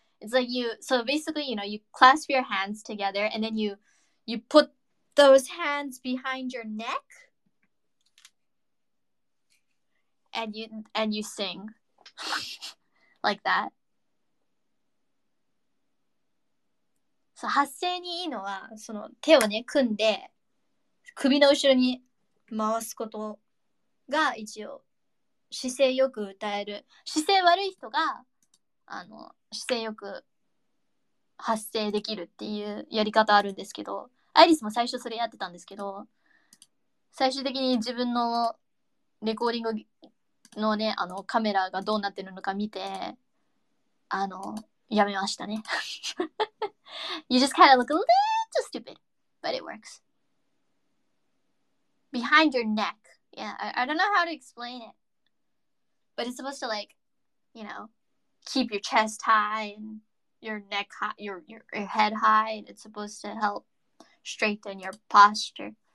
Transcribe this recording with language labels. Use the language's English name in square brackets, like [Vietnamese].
[English] It's like so basically, you clasp your hands together and then you put those hands behind your neck and you sing like that. [Japanese] So, 発声にいいのは、その手をね、組んで、首の後ろに回すことが一応、姿勢よく歌える。姿勢悪い人が、姿勢よく発声できるっていうやり方あるんですけど、アイリスも最初それやってたんですけど、最終的に自分のレコーディングのね、カメラがどうなってるのか見て、やめましたね。 [English] You just kind of look a little stupid, but it works. Behind your neck. Yeah, I don't know how to explain it. But it's supposed to like, keep your chest high and your neck high, your head high, and it's supposed to help straighten your posture.